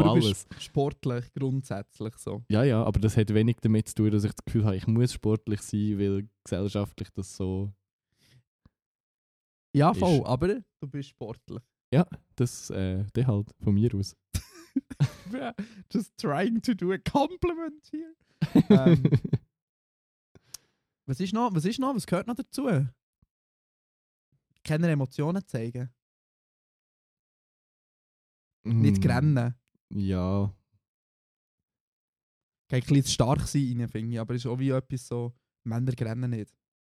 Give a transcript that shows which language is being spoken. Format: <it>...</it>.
<de>aber alles. Ja, aber du bist sportlich grundsätzlich so. Ja, ja, aber das hat wenig damit zu tun, dass ich das Gefühl habe, ich muss sportlich sein, weil gesellschaftlich das so. Ja, voll, ist. Aber du bist sportlich. Ja, das der halt von mir aus.</de> <en>Just trying to do a compliment here.</en> <de>Was ist noch? Was gehört noch dazu? Keine Emotionen zeigen. Nicht rennen. Ja. Kein bisschen zu stark sein, finde ich. Aber es ist auch wie etwas so, Männer rennen nicht.</de>